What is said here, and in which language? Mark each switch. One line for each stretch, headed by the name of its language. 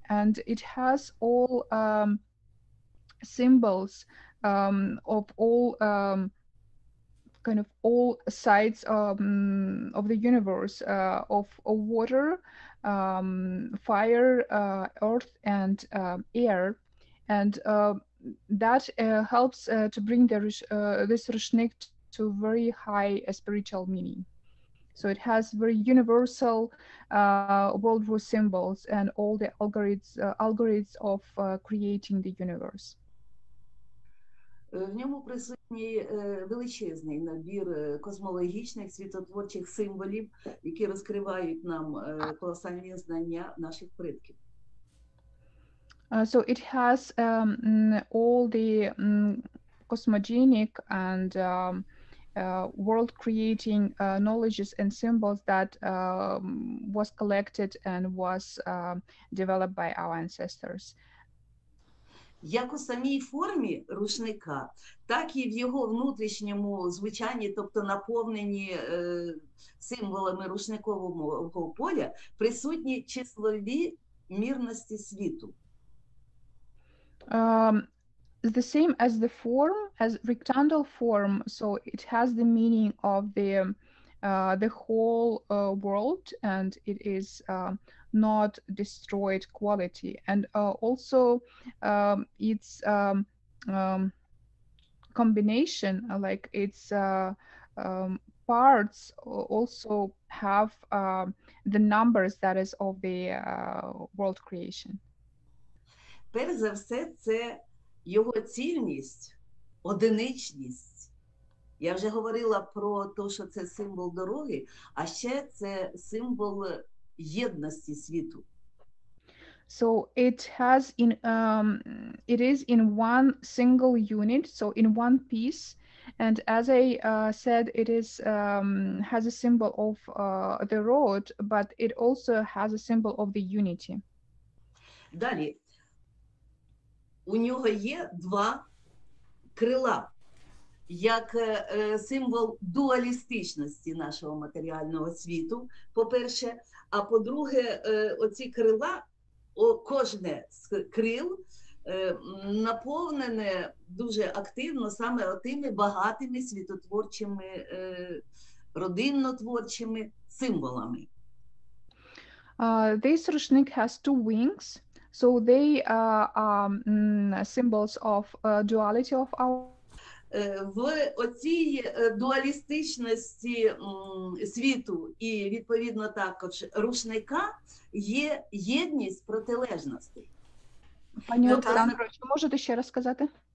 English: And it has all symbols of all kind of all sides of the universe, of water, fire, earth, and air, and that helps to bring the this rushnik to very high spiritual meaning. So it has very universal worldview symbols and all the algorithms of creating the universe.
Ukrainian: В ньому присутній величезний набір космологічних світотворчих символів, які розкривають нам колосальні знання наших предків.
English: So it has all the cosmogonic and world creating knowledges and symbols that was collected and was developed by our ancestors.
Ukrainian: Як у самій формі рушника, так і в його внутрішньому звучанні, тобто наповнені символами рушникового поля, присутні числові мірності світу.
English: The same as the form, as rectangle form, so it has the meaning of the whole world, and it is not destroyed quality, and also its combination, like its parts also have the numbers that is of the world creation.
Ukrainian: Перш за все, це його цільність, одиничність. Я вже говорила про те, що це символ дороги, а ще це символ єдності світу.
English: So it has in it is in one single unit, so in one piece, and as I said, it is has a symbol of the road, but it also has a symbol of the unity.
Ukrainian: Далі. У нього є два крила, як символ дуалістичності нашого матеріального світу, по-перше. А по-друге, оці крила, кожне з крил наповнене дуже активно саме тими багатими світотворчими, родиннотворчими символами.
English: This рушник has two wings. So they are symbols of duality of our...
Ukrainian: в оцій дуалістичності світу і, відповідно, також рушника є єдність протилежностей. Пані Олександро, чи можете ще раз сказати?